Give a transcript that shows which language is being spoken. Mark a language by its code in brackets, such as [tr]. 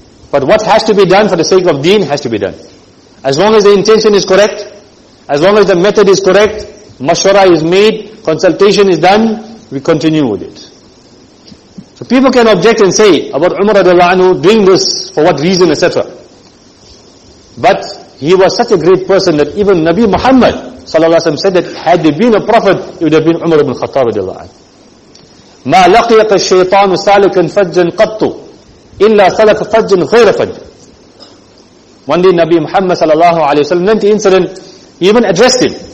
[en] But what has to be done for the sake of deen has to be done. As long as the intention is correct, as long as the method is correct, mashwara is made, consultation is done, we continue with it. So people can object and say about Umar radiallahu anhu doing this for what reason, etc. But he was such a great person that even Nabi Muhammad sallallahu alaihi wasallam said that had he been a prophet, it would have been Umar ibn Khattab radiallahu anhu. [ar] ما لقيت الشيطان سالكا فجا قط إلا سلك فج غير فج. [en] One day Nabi Muhammad sallallahu alaihi wasallam went to incident, he even addressed him.